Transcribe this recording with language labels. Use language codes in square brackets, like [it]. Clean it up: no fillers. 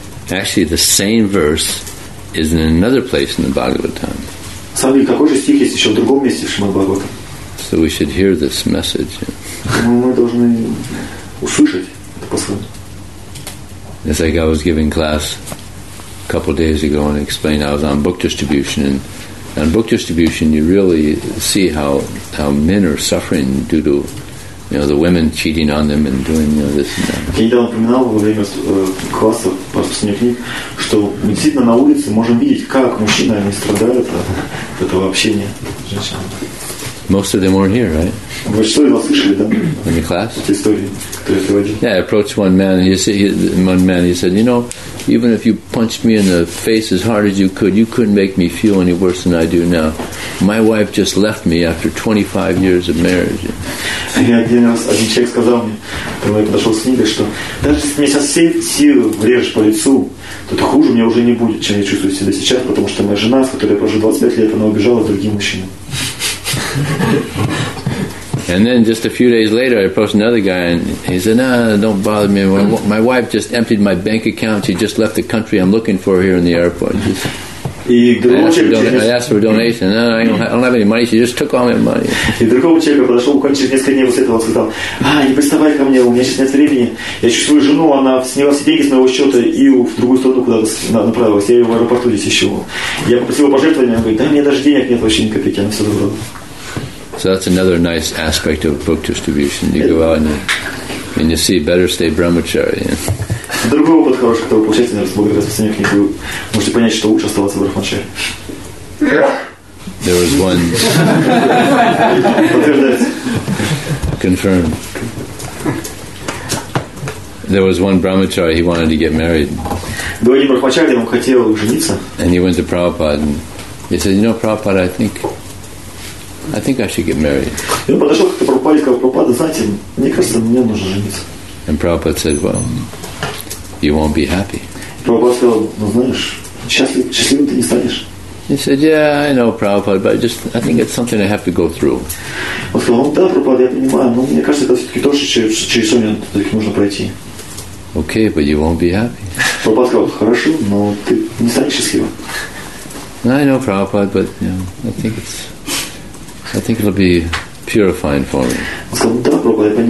[en] Actually, the same verse is in another place in the Bhagavatam. [ru] Смотри, какой же стих есть еще в другом месте в Шримад Бхагаватам. [en] So we should hear this message. [ru] Мы должны услышать это послание. [en] It's like I was giving class a couple of days ago and explained I was on book distribution, and on book distribution you really see how men are suffering due to, you know, the women cheating on them and doing, you know, this and that. [ru] Я недавно упоминал во время класса по распространению книг, что мы действительно на улице можем видеть, как мужчины, они страдают от этого общения с женщинами. [en] Most of them weren't here, right? [ru] Вы что, его слышали, да? [en] In the class? [ru] Эти истории. [en] Yeah, I approached one man. He said, "You know, even if you punched me in the face as hard as you could, you couldn't make me feel any worse than I do now. My wife just left me after 25 years of marriage." [ru] Один человек сказал мне, когда я подошел с ним, что даже если меня со всей силы врежешь по лицу, то хуже мне уже не будет, чем я чувствую себя сейчас, потому что моя жена, с которой я прожил 25 лет, она убежала с другим мужчиной. [en] And then just a few days later, I approached another guy, and he said, "No, don't bother me. My wife just emptied my bank account. She just left the country. I'm looking for her here in the airport." I asked for a donation. No, I don't have any money. She just took all my money. [ru] И другого человека подошел через несколько дней после этого и сказал: «А, не приставай ко мне, у меня сейчас нет времени. Я чувствую жену, она сняла все деньги с моего счета и в другую сторону куда-то направилась. Я ее в аэропорту здесь ищу. Я попросил пожертвования, она говорит: «Да, мне даже денег нет вообще ни копейки, она все забрала». [en] So that's another nice aspect of book distribution. You go out and you see better stay brahmachari. [ru] Другого под хорошего, которого получается, наверное, благодаря распространению книг, вы можете понять, что лучше оставаться в брахмачаре. [en] There was one. Confirmed. There was one brahmachari, he wanted to get married. [ru] Был один брахмачари, он хотел жениться. [en] And he went to Prabhupada and he said, you know, Prabhupada, I think I should get married. [ru] И он подошел к Прабхупаде и сказал: «Прабхупада, знаете, мне кажется, мне нужно жениться». [en] And Prabhupada said, well, you won't be happy. [ru] Прабхупада сказал: «Ну знаешь, счастливым ты не станешь». [en] He said, yeah, I know, Prabhupada, but I think it's something I have to go through. [ru] Он сказал: «Да, Прабхупада, я понимаю, но мне кажется, это все-таки тоже через что мне нужно пройти». [en] Okay, but you won't be happy. [ru] Прабхупада сказал: «Хорошо, но ты не станешь счастливым». [en] I know, Prabhupada, but you know, I think it'll be purifying for me.